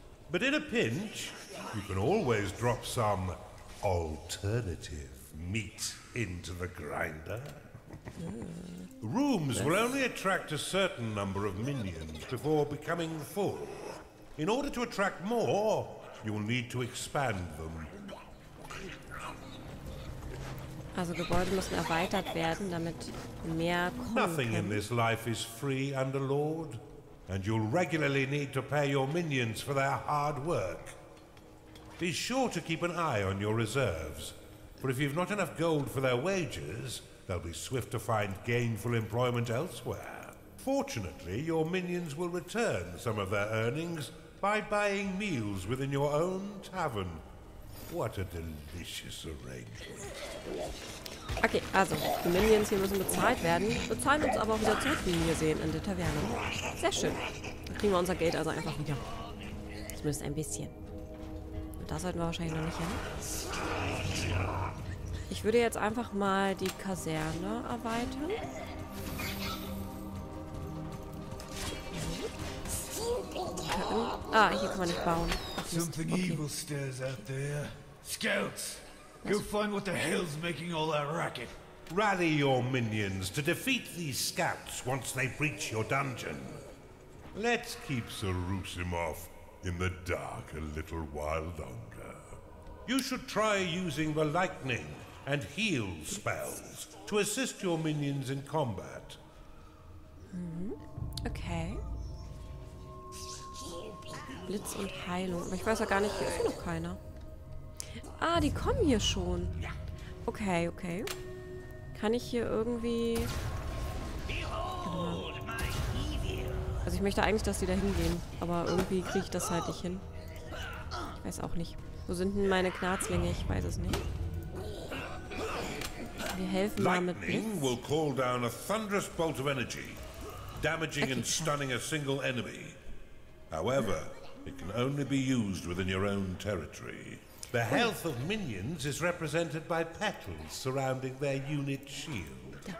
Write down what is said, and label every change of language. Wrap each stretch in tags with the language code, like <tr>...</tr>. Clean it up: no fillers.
<en>But in a pinch, you can always drop some alternative meat into the grinder. Rooms will only attract a certain number of minions before becoming full. In order to attract more, you will need to expand them.</en> <de>Also Gebäude müssen erweitert werden, damit mehr kommen können.</de> <en>Nothing in this life is free, Underlord. And you'll regularly need to pay your minions for their hard work. Be sure to keep an eye on your reserves. For if you've not enough gold for their wages, they'll be swift to find gainful employment elsewhere. Fortunately, your minions will return some of their earnings by buying meals within your own tavern. What a delicious arrangement.</en> <de>Okay, also, die Minions hier müssen bezahlt werden, bezahlen uns aber auch wieder zurück, wie wir sehen, in der Taverne. Sehr schön. Dann kriegen wir unser Geld also einfach wieder. Zumindest ein bisschen. Und da sollten wir wahrscheinlich noch nicht hin. Ich würde jetzt einfach mal die Kaserne erweitern. Ah, hier kann man nicht bauen.</de> <en>Something evil stirs out there. Scouts! Go find what the hell's making all that racket. Rally your minions to defeat these scouts once they breach your dungeon. Let's keep Sarusimov in the dark a little while longer. You should try using the lightning and heal spells to assist your minions in combat. Mm-hmm. Okay.</en> <de>Blitz und Heilung. Aber ich weiß ja gar nicht, hier ist noch keiner. Ah, die kommen hier schon. Okay, okay. Kann ich hier irgendwie... Also ich möchte eigentlich, dass die da hingehen. Aber irgendwie kriege ich das halt nicht hin. Ich weiß auch nicht. Wo sind denn meine Knarzlinge? Ich weiß es nicht. Wir helfen mal mit Blitz.</de> <en>Will call down a thunderous bolt of energy, damaging okay, and stunning a single enemy. However, it can only be used within your own territory. The health of minions is represented by petals surrounding their unit shield.</en>